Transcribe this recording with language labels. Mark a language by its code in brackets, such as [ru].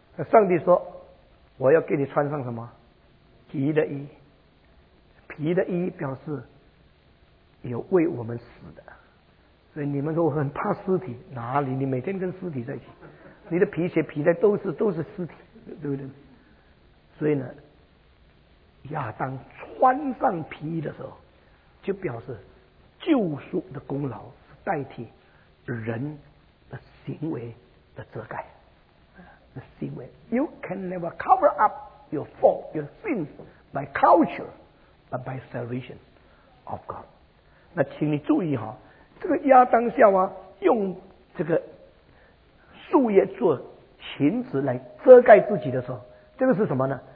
[zh] 上帝说我要给你穿上什么皮的衣，皮的衣表示有为我们死的，所以你们说我很怕尸体，哪里，你每天跟尸体在一起，你的皮鞋皮带都是尸体，对不对？所以呢，亚当穿上皮衣的时候，就表示救赎的功劳是代替人的行为的遮盖的行为。 [en] You can never cover up your fault, your sin by culture, but by salvation of God. [zh] 那请你注意哈，这个亚当夏娃用这个树叶做裙子来遮盖自己的时候，这个是什么呢？